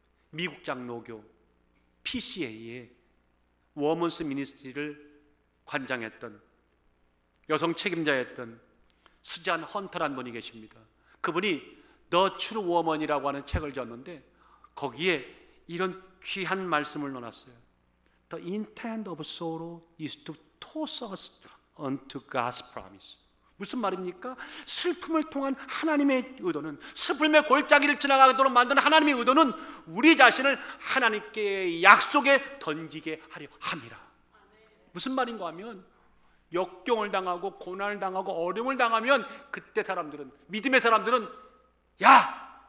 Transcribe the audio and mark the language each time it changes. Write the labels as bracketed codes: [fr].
[ko] 미국 장로교 PCA의 워먼스 미니스트리를 관장했던 여성 책임자였던 수잔 헌터란 분이 계십니다. 그분이 The True Woman이라고 하는 책을 줬는데 거기에 이런 귀한 말씀을 넣어놨어요. [en] The intent of sorrow is to toss us onto God's promise. [ko] 무슨 말입니까? 슬픔을 통한 하나님의 의도는, 슬픔의 골짜기를 지나가도록 만드는 하나님의 의도는 우리 자신을 하나님께 약속에 던지게 하려 합니다. 무슨 말인가 하면 역경을 당하고 고난을 당하고 어려움을 당하면 그때 사람들은, 믿음의 사람들은, 야!